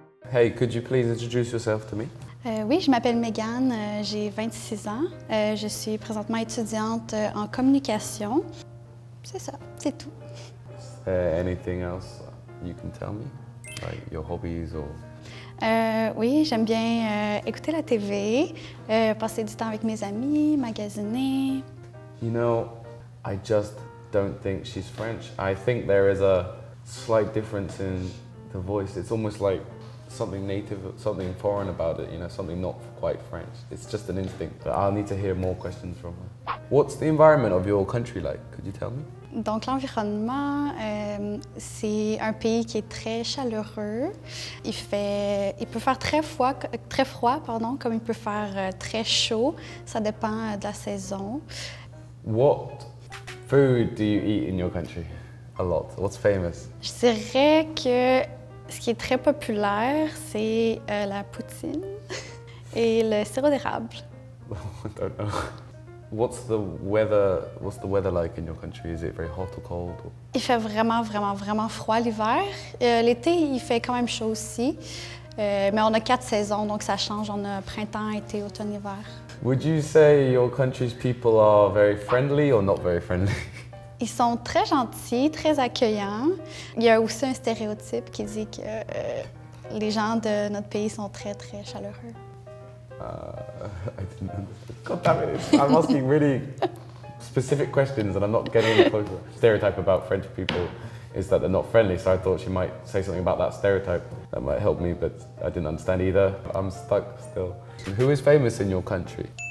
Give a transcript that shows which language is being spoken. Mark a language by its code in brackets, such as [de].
[en] Hey, could you please introduce yourself to me? [fr] Oui, je m'appelle Meggan, j'ai 26 ans. Je suis présentement étudiante en communication. C'est ça, c'est tout. [en] Is there anything else you can tell me? Like your hobbies or... [fr] Oui, j'aime bien écouter la TV, passer du temps avec mes amis, magasiner. [en] You know, I just don't think she's French. I think there is a slight difference in the voice. It's almost like something native, something foreign about it, you know, something not quite French. It's just an instinct, but I'll need to hear more questions from her. What's the environment of your country like? Could you tell me? [fr] Donc l'environnement, c'est un pays qui est très chaleureux. Il peut faire très froid, comme il peut faire très chaud. Ça dépend de la saison. [en] What food do you eat in your country? A lot. What's famous? [fr] Je dirais que ce qui est très populaire, c'est la poutine et le sirop d'érable. [en] I don't know. What's the weather like in your country? Is it very hot or cold? [fr] Il fait vraiment, vraiment, vraiment froid l'hiver. L'été, il fait quand même chaud aussi. Mais on a quatre saisons, donc ça change. On a printemps, été, automne, hiver. [en] Would you say your country's people are very friendly or not very friendly? [fr] Ils sont très gentils, très accueillants. Il y a aussi un stéréotype qui dit que les gens de notre pays sont très, très chaleureux. [en] I didn't understand. God damn it, I'm asking really specific questions and I'm not getting any closer. Stereotype about French people is that they're not friendly, so I thought she might say something about that stereotype. That might help me, but I didn't understand either. I'm stuck still. Who is famous in your country?